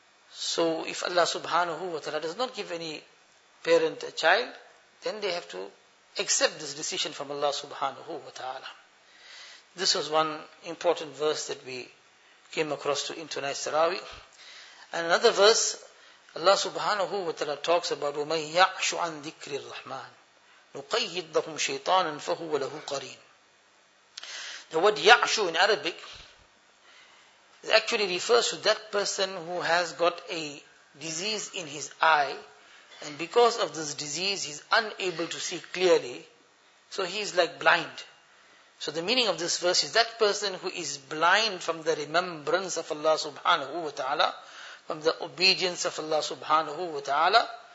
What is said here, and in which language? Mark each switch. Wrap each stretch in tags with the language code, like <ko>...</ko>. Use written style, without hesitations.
<en>So if Allah subhanahu wa ta'ala does not give any parent a child, then they have to accept this decision from Allah subhanahu wa ta'ala. This was one important verse that we came across to in tonight's Tarawih. And another verse, Allah subhanahu wa ta'ala talks about</en> <ar>وَمَنْ يَعْشُ عَنْ ذِكْرِ الرَّحْمَانِ نُقَيِّدْ لَهُمْ شَيْطَانًا فَهُوَ لَهُ قَرِينٌ.</ar> <en>The word يَعْشُ in Arabic, it actually refers to that person who has got a disease in his eye, and because of this disease he's unable to see clearly, so he's like blind. So the meaning of this verse is that person who is blind from the remembrance of Allah subhanahu wa ta'ala, from the obedience of Allah subhanahu wa ta'ala.</en>